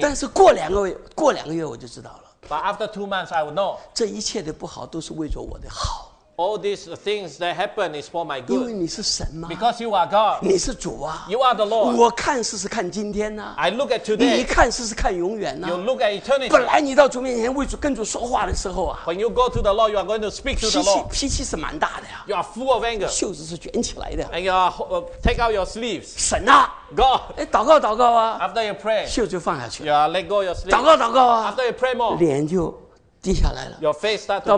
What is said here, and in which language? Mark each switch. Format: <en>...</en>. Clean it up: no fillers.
<zh>但是过两个月我就知道了</zh> <en>，But after 2 months I will know。</en> <zh>这一切的不好都是为着我的好。</zh> <en>All these things that happen is for my good.</en> <zh>因为你是神吗</zh> <en>？Because you are God.</en> <zh>你是主啊。</zh> <en>You are the Lord.</en> <zh>我看试试看今天呐、</zh> <en>啊。I look at today.</en> <zh>你看试试看永远呐、啊。</zh> <en>You look at eternity.</en> <zh>本来你到主面前为主跟主说话的时候啊。</zh> <en>When you go to the Lord, you are going to speak to the Lord.</en> <zh>脾气是蛮大的呀、啊。</zh> <en>You are full of anger.</en> <zh>袖子是卷起来的。</zh> <en>And you are, take out your sleeves.</en> <zh>神啊</zh> <en>，God.</en> <zh>哎，祷告祷告啊。</zh> <en>After you pray.</en> <zh>袖子就放下去了。</zh> <en>You are let go your sleeves.</en> <zh>祷告祷告啊。</zh> <en>After you pray more.</en> <zh>脸就低下来了。</zh> <en>Your face start to bow.</en>